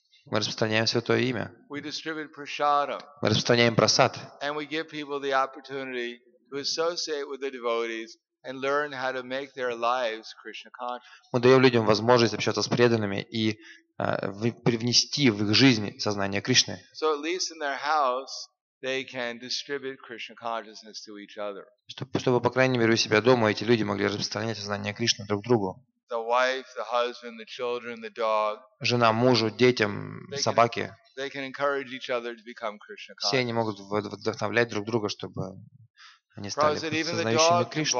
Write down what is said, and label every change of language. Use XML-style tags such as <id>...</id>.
<ru>Мы распространяем Святое Имя.</ru> <en>We distribute prasadam.</en> <ru>Мы распространяем просад.</ru> <en>And we give people the opportunity to associate with the devotees and learn how to make their lives Krishna conscious.</en> <ru>Мы даем людям возможность общаться с преданными и привнести в их жизнь сознание Кришны.</ru> <en>So at least in their house they can distribute Krishna consciousness to each other.</en> <ru>Чтобы по крайней мере у себя дома эти люди могли распространять сознание Кришны друг другу.</ru> <en>The wife, the husband, the children, the dog.</en> <ru>Жена, мужу, детям, собаке.</ru> <en>They can encourage each other to become Krishna conscious.</en> <ru>Все они могут вдохновлять друг друга, чтобы они стали сознающими Кришну.</ru>